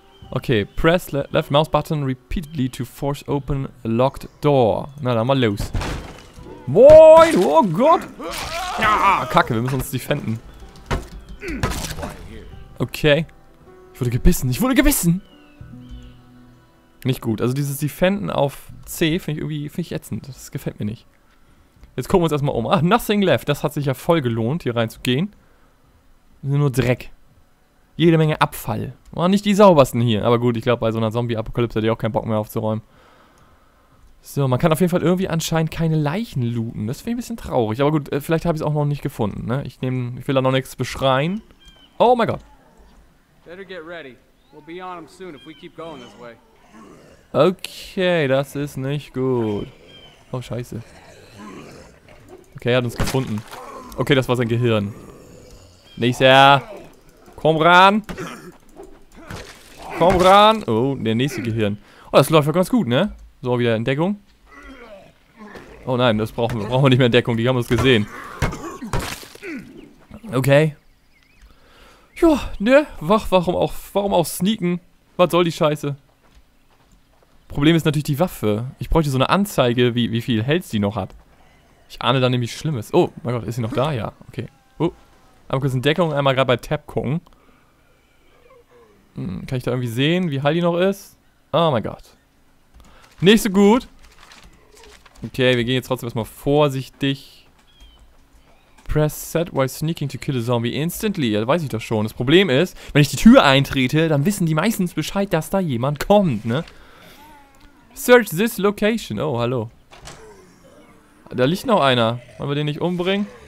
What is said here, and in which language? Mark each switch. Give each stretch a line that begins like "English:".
English: Okay, press left mouse button repeatedly to force open a locked door.
German: Na, dann mal los. Moin! Oh Gott! Ah, kacke, wir müssen uns defenden. Okay. Ich wurde gebissen, ich wurde gebissen! Nicht gut. Also dieses Defenden auf C finde ich irgendwie, finde ich ätzend. Das gefällt mir nicht. Jetzt gucken wir uns erstmal um.
English: Ah, nothing left.
German: Das hat sich ja voll gelohnt, hier reinzugehen. Nur Dreck. Jede Menge Abfall. War nicht die saubersten hier. Aber gut, ich glaube, bei so einer Zombie-Apokalypse hätte ich auch keinen Bock mehr aufzuräumen. So, man kann auf jeden Fall irgendwie anscheinend keine Leichen looten. Das finde ich ein bisschen traurig. Aber gut, vielleicht habe ich es auch noch nicht gefunden. Ne? Ich will da noch nichts beschreien. Oh mein Gott.
English: Better get ready. We'll be on them soon if we keep going this way.
German: Okay, das ist nicht gut. Oh, scheiße. Okay, er hat uns gefunden. Okay, das war sein Gehirn. Nächster. Komm ran. Komm ran. Oh, der nächste Gehirn. Oh, das läuft ja ganz gut, ne? So, wieder Entdeckung. Oh nein, das brauchen wir nicht mehr Entdeckung. Die haben uns gesehen. Okay. Ja, ne? Warum auch sneaken? Was soll die Scheiße? Problem ist natürlich die Waffe. Ich bräuchte so eine Anzeige, wie viel Health die noch hat. Ich ahne da nämlich Schlimmes. Oh, mein Gott, ist sie noch da? Ja, okay. Oh, einmal kurz in Deckung, einmal gerade bei Tab gucken. Kann ich da irgendwie sehen, wie heil die noch ist? Oh mein Gott. Nicht so gut. Okay, wir gehen jetzt trotzdem erstmal vorsichtig.
English: Press set while sneaking to kill a zombie instantly.
German: Ja, weiß ich doch schon. Das Problem ist, wenn ich die Tür eintrete, dann wissen die meistens Bescheid, dass da jemand kommt, ne?
English: Search this location.
German: Oh, hallo. Da liegt noch einer. Wollen wir den nicht umbringen?